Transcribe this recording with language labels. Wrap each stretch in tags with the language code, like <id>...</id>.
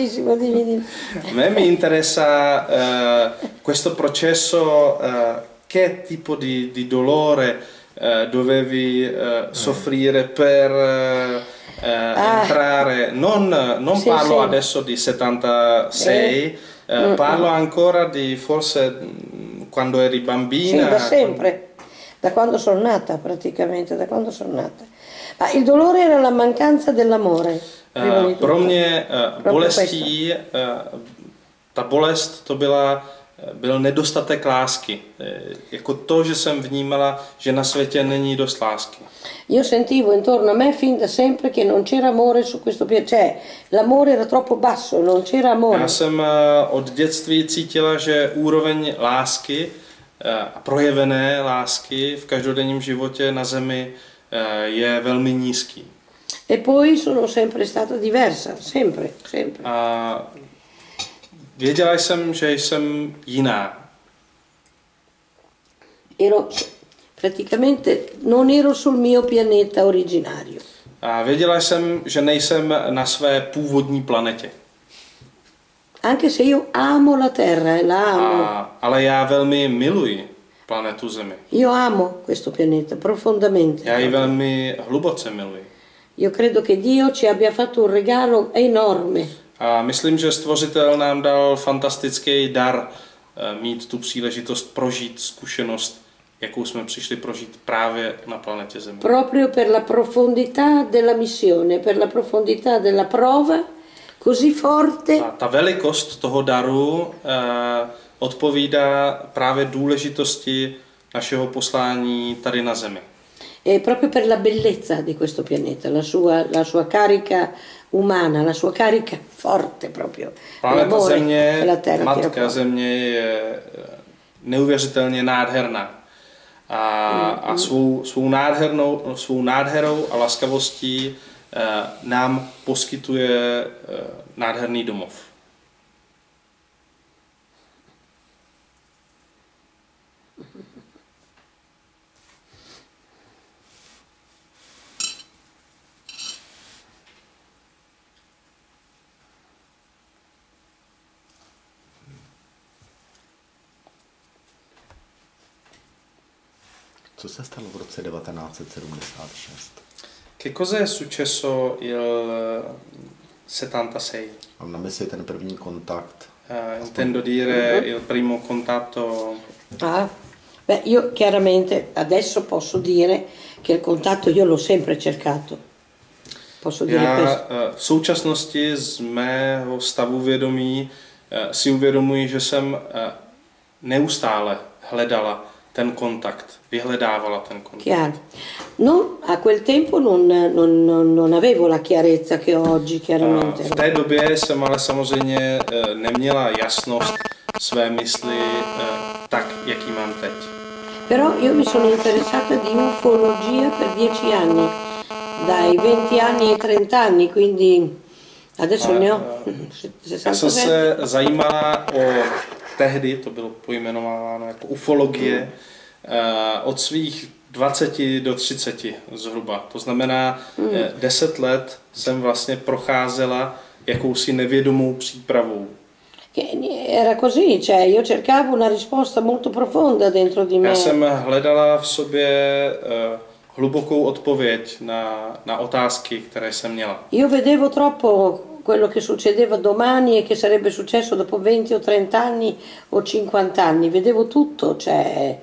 <cs>A mě</cs> <it>mi interesa questo processo, che tipo di dolore dovevi soffrire per entrare, non sì, parlo sì. Adesso di 76, parlo ancora di forse quando eri bambina. Sì, da sempre, da quando sono nata praticamente, da quando sono nata. Ma il dolore era la mancanza dell'amore. Per me</it> <cs>bolestí, ta bolest to byla, byl nedostatek lásky. Jako to, že jsem vnímala, že na světě není dost lásky.</cs> <it>Io sentivo intorno a me fin da sempre che non c'era amore su questo piano, cioè l'amore era troppo basso, non c'era amore.</it> <cs>Já jsem od dětství cítila, že úroveň lásky, projevené lásky v každodenním životě na zemi je velmi nízký.</cs> <it>E poi sono sempre stata diversa, sempre, sempre.</it> <cs>A věděla jsem, že jsem jiná.</cs> <it>Ero praticamente non ero sul mio pianeta originario.</it> <cs>A věděla jsem, že nejsem na své původní planetě.</cs> <it>Anche se io amo la Terra, la amo.</it> <cs>Ale já velmi miluji planetu Zemi.</cs> <it>Io amo questo pianeta profondamente.</it> <cs>Já ji velmi hluboce miluji.</cs> <it>Io credo che Dio ci abbia fatto un regalo enorme.</it> <cs>A myslím, že Stvořitel nám dal fantastický dar mít tu příležitost prožít zkušenost, jakou jsme přišli prožít právě na planetě Zemi.</cs> <it>Proprio per la profondità della missione, per la profondità della prova così forte.</it> <cs>A ta velikost toho daru odpovídá právě důležitosti našeho poslání tady na Zemi.</cs> <it>E proprio per la bellezza di questo pianeta, la sua carica umana, la sua carica forte proprio.</it> <cs>Planeta Země, matka Země je neuvěřitelně nádherná. A svou nádherou a laskavostí nám poskytuje nádherný domov. Co se stalo v roce 1976?</cs> <it>Che cosa è successo il 76?</it> <cs>Mám na mysli ten první kontakt.</cs> <it>Intendo dire il primo contatto. Ah, beh, io chiaramente adesso posso dire che il contatto io l'ho sempre cercato. Posso dire questo.</it> <cs>V současnosti z mého stavu vědomí si uvědomuji, že jsem neustále hledala ten kontakt, vyhledávala ten kontakt.</cs> <it>Chiaro. No, a quel tempo non avevo la chiarezza che oggi, chiaramente.</it> <cs>V té době jsem ale samozřejmě neměla jasnost své mysli tak, jak ji mám teď.</cs> <it>Però io mi sono interessata di ufologia per 10 anni, dai 20 anni e 30 anni, quindi adesso ne ho 60.</it> <cs>Já jsem se zajímala o tehdy, to bylo pojmenováno jako ufologie, od svých 20 do 30 zhruba. To znamená, 10 let jsem vlastně procházela jakousi nevědomou přípravou.</cs> <it>Era così, cioè io cercavo una risposta molto profonda dentro di me.</it> <cs>Já jsem hledala v sobě hlubokou odpověď na otázky, které jsem měla.</cs> <it>Io vedevo troppo quello che succedeva domani e che sarebbe successo dopo 20 o 30 anni o 50 anni, vedevo tutto, cioè</it>